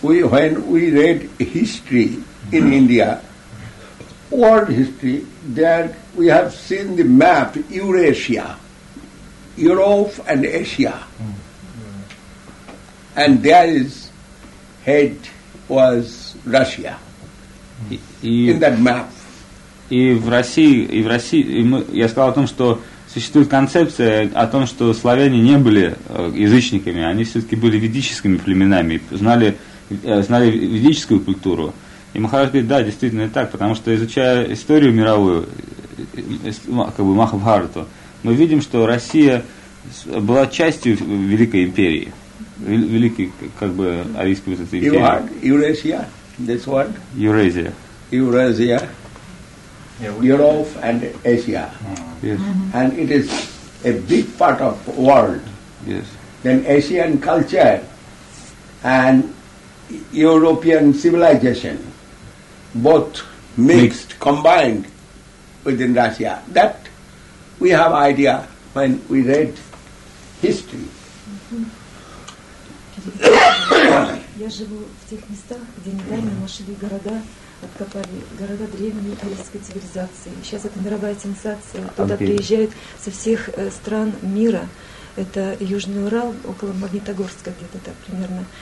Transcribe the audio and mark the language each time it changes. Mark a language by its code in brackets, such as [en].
[en] When we read history in India, world history, there we have seen the map Eurasia, Europe and Asia. Mm. And there is head was Russia in that map. [ru] И в России, я сказал о том, что существует концепция о том, что славяне не были язычниками, они все-таки были ведическими племенами, знали ведическую культуру. И Махарадж говорит, да, действительно так, потому что изучая историю мировую, как бы Махабхарату, мы видим, что Россия была частью Великой империи, великой как бы арийской империи. [en] Eurasia, this word? Eurasia. Eurasia. Europe and Asia. Yes. Mm-hmm. And it is a big part of world. Yes. Then Asian culture and European civilization, both mixed, combined within Russia. That we have idea when we read history. [ru] Я живу в тех местах, где недавно нашли города. Откопали города древней арийской цивилизации. Сейчас это мировая сенсация. Туда приезжают со всех стран мира. Это Южный Урал, около Магнитогорска, где-то так примерно.